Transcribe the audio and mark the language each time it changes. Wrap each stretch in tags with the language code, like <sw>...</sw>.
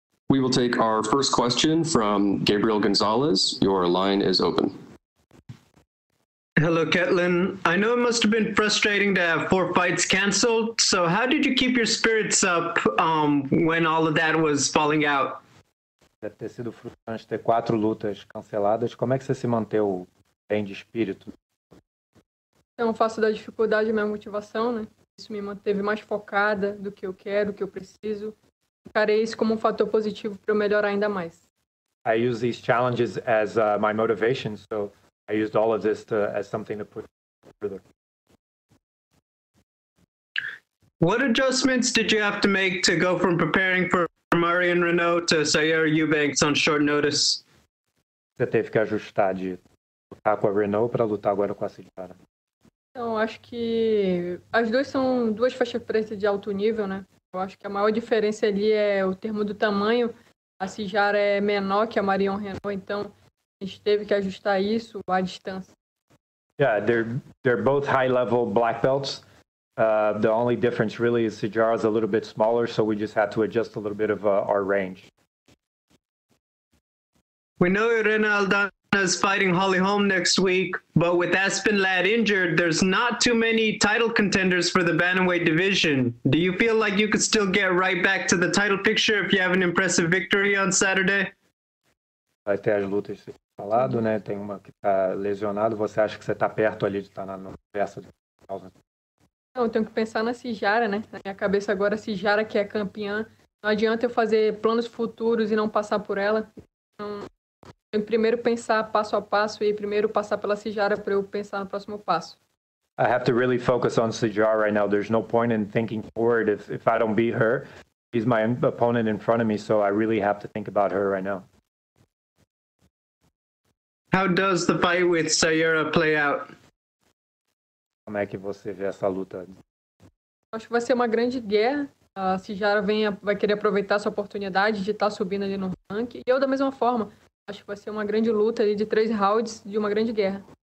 <en>We will take our first question from Gabriel Gonzalez. Your line is open. Hello, Ketlin. I know it must have been frustrating to have four fights canceled. So how did you keep your spirits up when all of that was falling out?</en> <pt>Deve ter sido frustrante ter quatro lutas canceladas. Como é que você se manteve bem de espírito? Então, faço da dificuldade minha motivação, né? Isso me manteve mais focada do que eu quero, do que eu preciso. Encarei isso como um fator positivo para eu melhorar ainda mais.</pt> <en>I use these challenges as my motivation, so I used all of this to, as something to push further. What adjustments did you have to make to go from preparing for Marion Renault to Sayara Eubanks on short notice?</en> <pt>Você teve que ajustar de lutar com a Renault para lutar agora com a Sayara. Então, acho que as duas são duas faixas pretas de alto nível, né? Eu acho que a maior diferença ali é o termo do tamanho. A Sayara é menor que a Marion Renault, então a gente teve que ajustar isso à distância.</pt> <en>Yeah, they're both high level black belts. The only difference really is Sayara's a little bit smaller, so we just had to adjust a little bit of our range. We know Irene Aldana is fighting Holly Holm next week, but with Aspen Ladd injured, there's not too many title contenders for the bantamweight division. Do you feel like you could still get right back to the title picture if you have an impressive victory on Saturday?</en> <pt>Vai ter as lutas falado, né? Tem uma que tá lesionado. Você acha que você tá perto ali de estar na peça de causa? Não, eu tenho que pensar na Sayara, né? Na minha cabeça agora, a Sayara que é campeã. Não adianta eu fazer planos futuros e não passar por ela. Então, tem que primeiro pensar passo a passo e primeiro passar pela Sayara para eu pensar no próximo passo.</pt> <en>I have to really focus on Sayara right now. There's no point in thinking forward if I don't beat her. She's my opponent in front of me, so I really have to think about her right now. How does the fight with Sayara play out?</en> <pt>Como é que você vê essa luta? Acho que vai ser uma grande guerra. A Sayara vai querer aproveitar essa oportunidade de estar subindo ali no ranking. E eu, da mesma forma, acho que vai ser uma grande luta ali de três rounds de uma grande guerra.</pt>